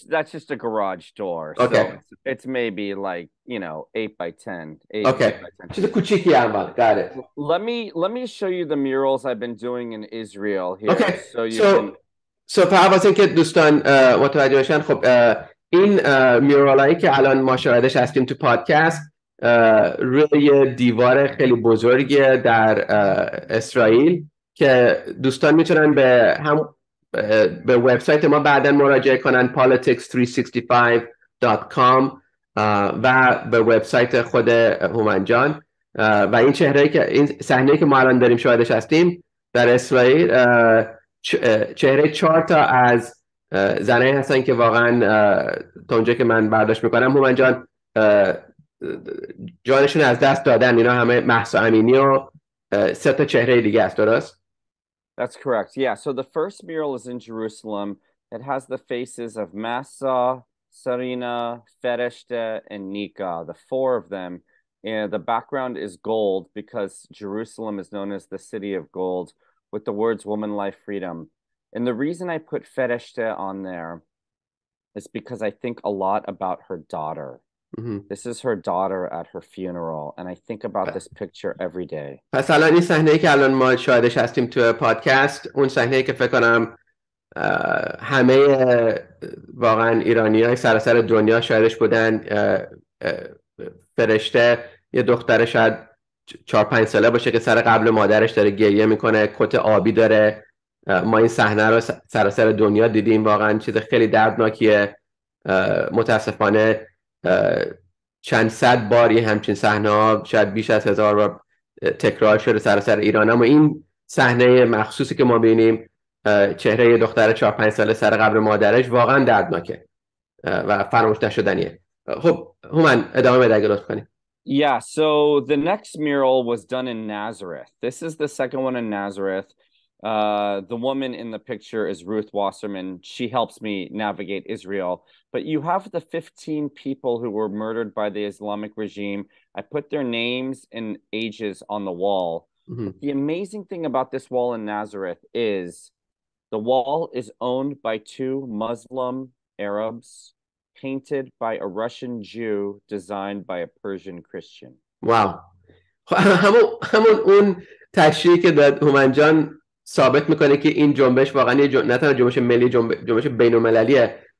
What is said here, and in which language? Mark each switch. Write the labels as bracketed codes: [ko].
[en] Oh, that's just a garage door. Okay. So it's maybe like, you know, 8x10. Okay. [fa] چیز کوچیکی هم بود. [en] Got it. Let me show you the murals I've been doing in Israel here. Okay. [fa] So فعلا اینکه دوستان متوجه بشن خب این مورالایی که الان ما شاهدش هستیم تو پادکست روی دیوار خیلی بزرگی در اسرائیل که دوستان میتونن به هم به وبسایت ما بعداً مراجعه کنن politics365.com و به وبسایت خود هومن جان و این چهره ای که این صحنه‌ای که ما الان داریم شاهدش هستیم در اسرائیل چهره چهار تا از زنایی هستن که واقعاً تا اونجا که من برداشت میکنم هومن جان جانشون از دست دادن اینا همه مهسا امینی و سه تا چهره دیگه است درست؟ [en] That's correct. Yeah. So the first mural is in Jerusalem. It has the faces of Mahsa, Sarina, Fereshte, and Nika, the four of them. And the background is gold because Jerusalem is known as the city of gold with the words woman, life, freedom. And the reason I put Fereshte on there is because I think a lot about her daughter. Mm-hmm. This is her daughter at her funeral, and I think about this picture every day. [fa] پس الان این صحنه که الان ما شاهدش هستیم تو پادکست، اون صحنه که فکر کنم همه واقعا ایرانی‌های سراسر دنیا شاهدش بودن، فرشته یه دختر شاید 4-5 ساله باشه که سر قبل مادرش داره گریه میکنه، کت آبی داره. ما این صحنه رو سراسر دنیا دیدیم، واقعا چیز خیلی دردناکیه. متاسفانه چند صد بار یه همچین صحنه ها شاید بیش از 1000 بار تکرار شده سراسر ایران، اما این صحنه مخصوصی که ما بینیم چهره یه دختر 4-5 ساله سر قبر مادرش واقعا دردناکه و فراموش نشدنیه. خب هومن ادامه بده اگه لطف کنی. [en] Yeah, so the next mural was done in Nazareth. This is the second one in Nazareth. The woman in the picture is Ruth Wasserman. She helps me navigate Israel. But you have the 15 people who were murdered by the Islamic regime. I put their names and ages on the wall. Mm-hmm. The amazing thing about this wall in Nazareth is the wall is owned by two Muslim Arabs, painted by a Russian Jew, designed by a Persian Christian. Wow. [fa] همون اون تشریح که داد هومن جان ثابت میکنه که این جنبش واقعا نه تنها جنبش ملی، جنبش بین المللیه.